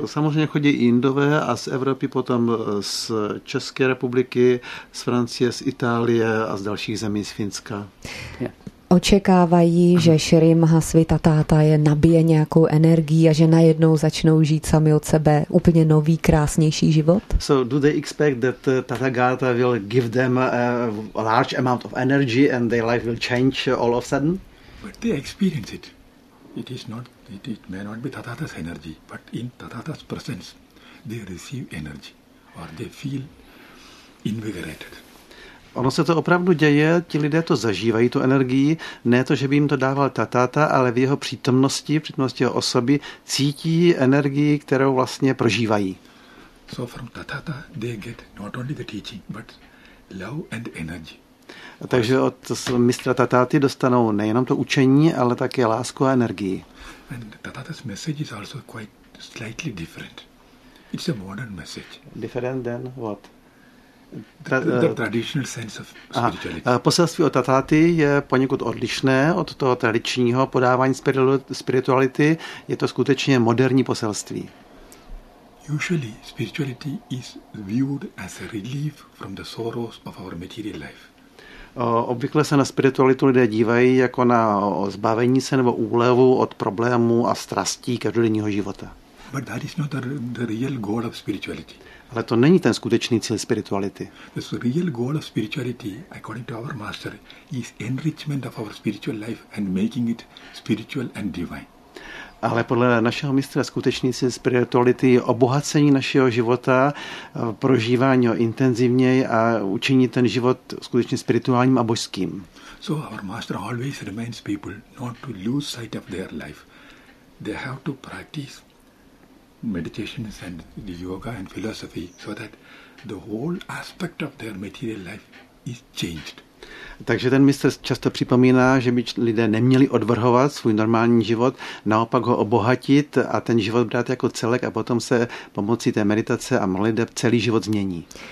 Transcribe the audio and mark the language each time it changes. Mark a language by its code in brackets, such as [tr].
[cs] Samozřejmě chodí Indové a z Evropy potom z České republiky, z Francie, z Itálie a z dalších zemí, z Finska. [en] Yeah. [cs] Očekávají, že Shri Mahasvita Tata je nabije nějakou energii a že najednou začnou žít sami od sebe úplně nový, krásnější život? [en] So do they expect that Tata Gata will give them a large amount of energy and their life will change all of a sudden? But they experience it. It may not be Tata's energy, but in Tata's presence they receive energy or they feel invigorated. [cs] Ono se to opravdu děje, ti lidé to zažívají, tu energii, ne to, že by jim to dával tatáta, ale v jeho přítomnosti, v přítomnosti jeho osoby, cítí energii, kterou vlastně prožívají. [en] So from tatáta they get not only the teaching, but love and energy. [cs] Takže od mistra tatáty dostanou nejenom to učení, ale také lásku a energii. [en] And tatáta's message is also quite slightly different. It's a modern message. Different than what? The traditional sense of spirituality. [cs] Poselství od tataty je poněkud odlišné od toho tradičního podávání spirituality. Je to skutečně moderní poselství. [en] Usually spirituality is viewed as a relief from the sorrows of our material life. [cs] Obvykle se na spiritualitu lidé dívají jako na zbavení se nebo úlevu od problémů a strastí každodenního života. [en] But that is not the real goal of spirituality. [cs] Ale to není ten skutečný cíl spirituality. [en] The real goal of spirituality, according to our master, is enrichment of our spiritual life and making it spiritual and divine. [cs] Ale podle našeho mistra skutečný cíl spirituality je obohacení našeho života, prožívání ho intenzivněji a učinit ten život skutečně spirituálním a božským. [en] So our master always reminds people not to lose sight of their life. They have to practice meditations and the yoga and philosophy so that the whole aspect of their material life is changed. [cs] Takže ten mistr často připomíná, že by lidé neměli odvrhovat svůj normální život, naopak ho obohatit a ten život brát jako celek a potom se pomocí té meditace a modlitby celý život změní.